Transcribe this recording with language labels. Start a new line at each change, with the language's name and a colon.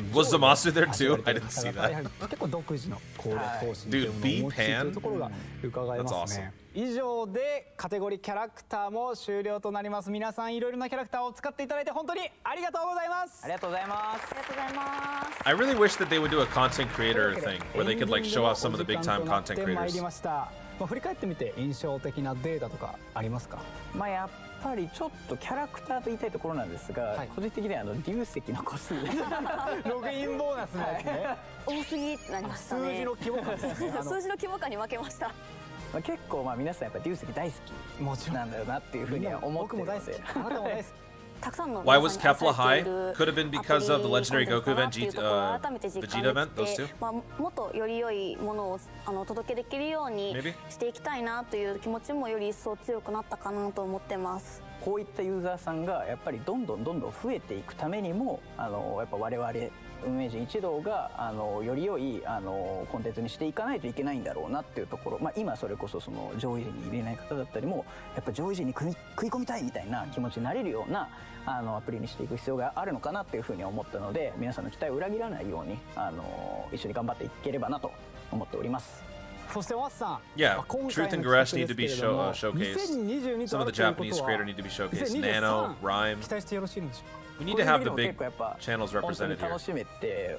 English: Was the master there too? I didn't see that.
Japanese: 結構独自の攻略方針というものを持ちというところが伺えますね。
English: That's awesome.
Japanese: 以上でカテゴリーキャラクターも終了となります。皆さんいろいろなキャラクターを使っていただいて本当にありがとうございます。ありがとうございます。ありがとうございます。
English: I really wish that they would do a content creator thing where they could like show off some of the big time content creators.
Japanese: まあ、振り返ってみて印象的なデータとかありますか？まあ、やっぱりちょっとキャラクターと言いたいところなんですが、はい、個人的にはあの流石の個数ログインボーナスのやつね、はい、多すぎってなりましたね。数字の規模感ね、数字の規模感に負けました。まあ、結構まあ皆さんやっぱ流石大好きなんだよなっていうふうには思ってるので、僕も大好き、あなたも大好き。
English: Why was Kefla high? Could have been because of the legendary Goku event, Vegeta event, those two. Maybe?
Japanese: こういったユーザーさんがやっぱりどんどんどんどん増えていくためにもやっぱ我々運営陣一同がより良いコンテンツにしていかないといけないんだろうなっていうところ、まあ、今それこそその上位陣に入れない方だったりもやっぱ上位陣に食い込みたいみたいな気持ちになれるようなアプリにしていく必要があるのかなっていうふうに思ったので皆さんの期待を裏切らないように一緒に頑張っていければなと思っております。
English: Yeah, Truth and Garash need to be showcased. Some of the Japanese creators need to be showcased. Nano, Rhyme. We need to have the big channels represented here.